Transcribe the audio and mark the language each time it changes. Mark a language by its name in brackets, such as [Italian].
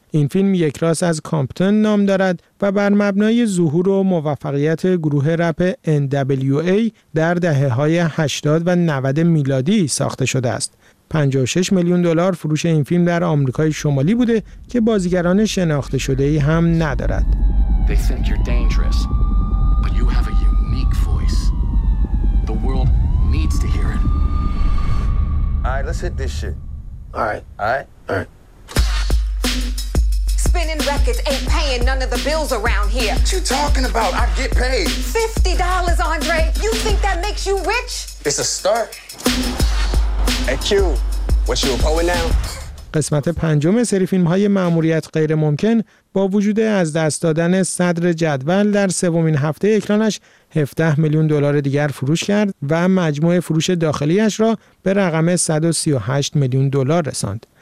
[Persian] این فیلم یک راست از کامپتون نام دارد و بر مبنای ظهور و موفقیت گروه رپ NWA در دهه‌های 80 و 90 میلادی ساخته شده است. 56 میلیون دلار فروش این فیلم در آمریکای شمالی بوده که بازیگران شناخته شده ای هم ندارد. [English] They think you're dangerous, but you have a unique voice. The world needs to hear it. All right, let's hit this shit. All right. Spinning records ain't paying none of the bills around here. What you talking about? I get paid. $50, Andre. You think that makes you rich? It's a start. [Persian] قسمت پنجم سری فیلم‌های مأموریت غیر ممکن با وجود از دست دادن صدر جدول در سومین هفته اکرانش 17 میلیون دلار دیگر فروش کرد و مجموع فروش داخلیش را به رقم 138 میلیون دلار رساند.